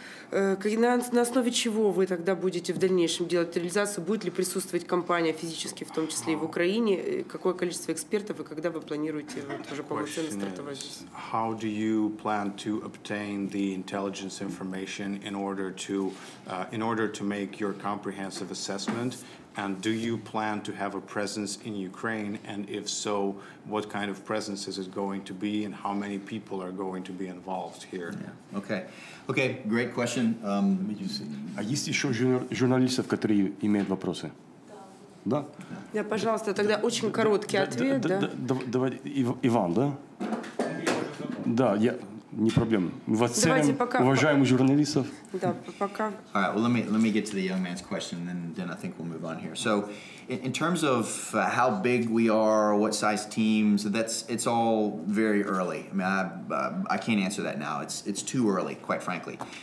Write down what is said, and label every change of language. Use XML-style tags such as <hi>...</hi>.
<ru>На основе чего вы тогда будете в дальнейшем делать реализацию? Будет ли присутствовать компания физически, в том числе и в Украине? Какое количество экспертов и когда вы планируете уже полноценно стартовать?</ru> <en>How do you plan to obtain the intelligence information in order to make your comprehensive assessment? And do you plan to have a presence in Ukraine? And if so, what kind of presence is it going to be? And how many people are going to be involved here? Yeah. Okay, great question.</en> <ru>А есть еще журналистов, которые имеют вопросы? Да. Да, пожалуйста, тогда очень короткий ответ, да? Давай, Иван, да? Да, я... Не проблем. Давайте пока. Уважаемых журналистов. Да, пока.</ru> <en>All right, well, let me get to the young man's question, and then I think we'll move on here. So, in terms of how big we are, what size teams, it's all very early. I mean, I can't answer that now. It's too early, quite frankly.</en>